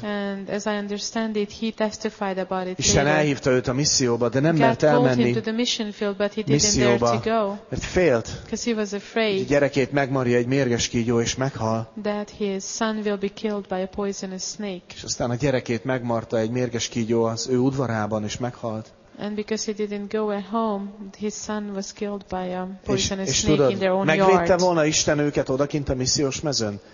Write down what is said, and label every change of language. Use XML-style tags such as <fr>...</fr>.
<en>And as I understand it, he testified about it.</en> <hu>Isten elhívta őt a misszióba, de nem mert elmenni misszióba, mert félt,</hu> <en>because he was afraid,</en> <hu>hogy a gyerekét megmarja egy mérges kígyó és meghal.</hu> <en>That his son will be killed by a poisonous snake.</en> <hu>És aztán a gyerekét megmarta egy mérges kígyó az ő udvarában és meghalt.</hu> <en>And because he didn't go at home, his son was killed by a poisonous snake</en> <hu>tudod,</hu> <en>in their own yard.</en> <hu>Megvédte volna Isten őket odakint a missziós mezőn?</hu>